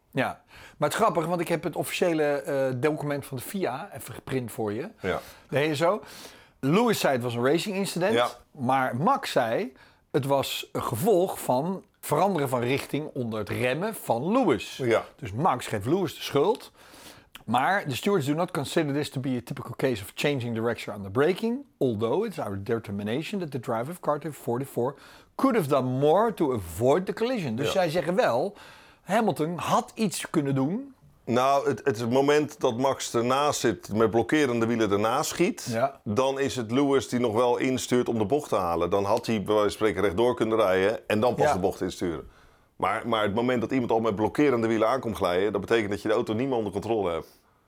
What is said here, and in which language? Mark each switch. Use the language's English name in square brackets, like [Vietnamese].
[Dutch] Ja, maar het is grappig, want ik heb het officiële document van de FIA even geprint voor je. Ja. De HSO. Lewis zei het was een racing incident. Ja. Maar Max zei het was een gevolg van veranderen van richting onder het remmen van Lewis. Ja. Dus Max geeft Lewis de schuld. Maar [English] the stewards do not consider this to be a typical case of changing direction on the braking. Although it's our determination that the driver of car 44 could have done more to avoid the collision. [Dutch] Dus zij zeggen wel... Hamilton had iets kunnen doen. Nou, het is het moment dat Max ernaast zit met blokkerende wielen ernaast schiet. Ja. Dan is het Lewis die nog wel instuurt om de bocht te halen. Dan had hij bij wijze van spreken rechtdoor kunnen rijden en dan pas de bocht insturen. Maar het moment dat iemand al met blokkerende wielen aankomt glijden, dat betekent dat je de auto niet meer onder controle hebt.